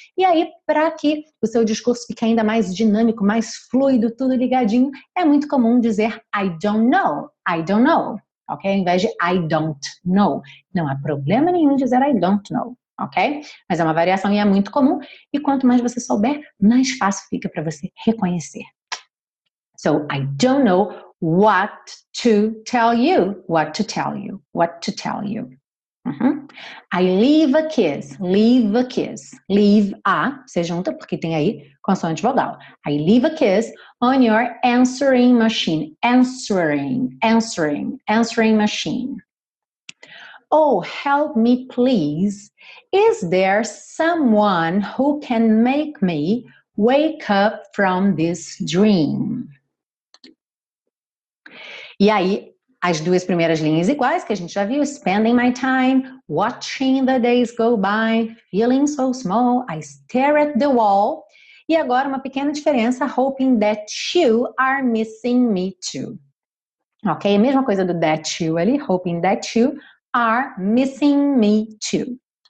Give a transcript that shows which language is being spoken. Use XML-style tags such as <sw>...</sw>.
<pt>E aí, para que o seu discurso fique ainda mais dinâmico, mais fluido, tudo ligadinho, é muito comum dizer</pt> <en>I don't know,</en> <pt>ok? Ao invés de</pt> <en>I don't know.</en> <pt>Não há problema nenhum dizer I don't know, ok? Mas é uma variação e é muito comum. E quanto mais você souber, mais fácil fica para você reconhecer.</pt> <en>So, I don't know what to tell you, what to tell you, what to tell you. I leave a kiss, leave a kiss, leave a,</en> <pt>você junta porque tem aí consoante vogal.</pt> <en>I leave a kiss on your answering machine, answering machine. Oh, help me, please. Is there someone who can make me wake up from this dream?</en> <pt>E aí, as duas primeiras linhas iguais que a gente já viu.</pt> <en>Spending my time, watching the days go by, feeling so small, I stare at the wall.</en> <pt>E agora, uma pequena diferença,</pt> <en>hoping that you are missing me too. Ok?</en> <pt>A mesma coisa do</pt> <en>that you ali, hoping that you are missing me too.</en>